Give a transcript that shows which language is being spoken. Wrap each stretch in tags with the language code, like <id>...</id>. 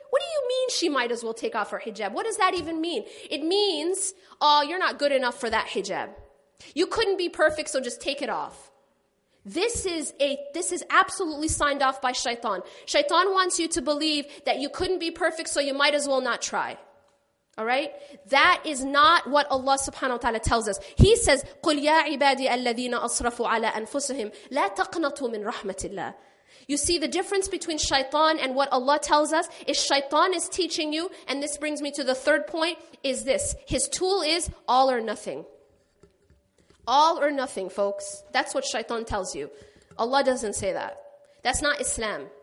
<en>What do you mean she might as well take off her hijab? What does that even mean? It means, oh, you're not good enough for that hijab. You couldn't be perfect, so just take it off. This is absolutely signed off by Shaytan. Shaytan wants you to believe that you couldn't be perfect, so you might as well not try. All right? That is not what Allah subhanahu wa ta'ala tells us. He says,</en> <ar>قُلْ يَا عِبَادِيَ الَّذِينَ أَصْرَفُوا عَلَىٰ أَنفُسِهِمْ لَا تَقْنَطُوا مِنْ رَحْمَةِ اللَّهِ.</ar> <en>You see, the difference between Shaytan and what Allah tells us is Shaytan is teaching you, and this brings me to the third point, is this. His tool is all or nothing. All or nothing, folks. That's what Shaytan tells you. Allah doesn't say that. That's not Islam.</en>